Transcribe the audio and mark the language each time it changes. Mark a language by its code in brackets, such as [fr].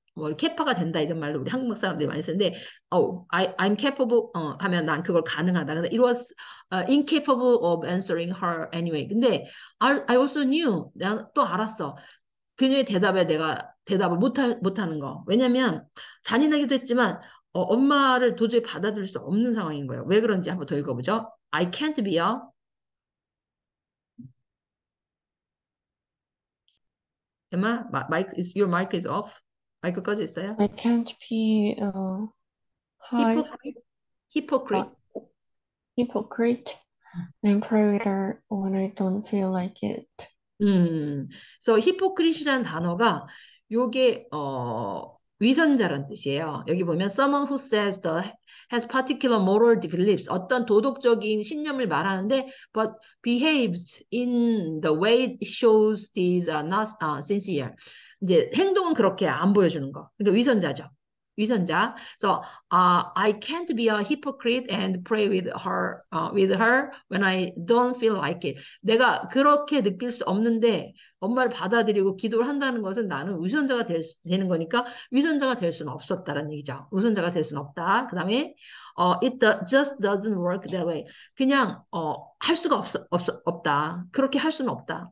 [ko] 뭐 캐파가 된다 이런 말로 우리 한국 사람들이 많이 쓰는데, [en] I'm capable [ko] 하면 난 그걸 가능하다. 그래서 [en] it was incapable of answering her anyway. [ko] 근데 [en] I also knew, [ko] 난또 알았어. 그녀의 대답에 내가 대답을 못하는 거. 왜냐면 잔인하기도 했지만 엄마를 도저히 받아들일 수 없는 상황인 거예요. 왜 그런지 한번 더 읽어보죠. [en] I can't be a 엠마, your mic is off. [ko] 마이크까지 있어요? [en] I can't be a high Hypocrite. hypocrite imperator when I don't feel like it. [ko] So hypocrite이라는 단어가 요게 위선자란 뜻이에요. [en] 여기 보면 someone who says has particular moral beliefs, [ko] 어떤 도덕적인 신념을 말하는데, [en] but behaves in the way it shows these are not sincere. [ko] 이제 행동은 그렇게 안 보여주는 거. 그러니까 위선자죠. 위선자. [en] So, I can't be a hypocrite and pray with her when I don't feel like it. [ko] 내가 그렇게 느낄 수 없는데 엄마를 받아들이고 기도를 한다는 것은 나는 위선자가 되는 거니까 위선자가 될 수는 없었다라는 얘기죠. 위선자가 될 수는 없다. 그다음에 [en] just doesn't work that way. [ko] 그냥 할 수가 없다. 그렇게 할 수는 없다.